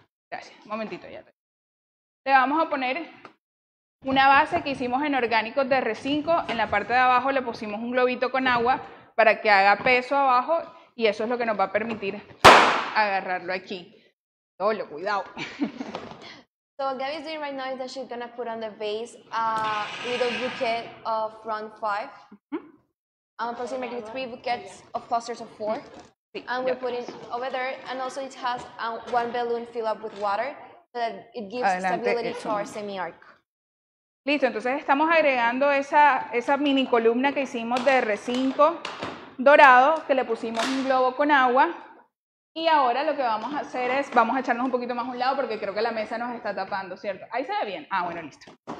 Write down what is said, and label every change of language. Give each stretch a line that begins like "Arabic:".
Spanish: Gracias, un momentito ya. Le vamos a poner una base que hicimos en orgánicos de R5. En la parte de abajo le pusimos un globito con agua para que haga peso abajo, y eso es lo que nos va a permitir agarrarlo aquí. Dolo, cuidado.
English: So what Gabby is doing right now is that she's gonna put on the base a little bouquet of round 5. Approximately 3 bouquets of clusters of 4. And we're putting over there, and also it has one balloon filled up with water, so that it gives stability to our semi-arc.
Spanish: Listo, entonces estamos agregando esa mini columna que hicimos de R5 dorado, que le pusimos un globo con agua, y ahora lo que vamos a hacer es, vamos a echarnos un poquito más a un lado porque creo que la mesa nos está tapando, ¿cierto? Ahí se ve bien. Ah, bueno, listo.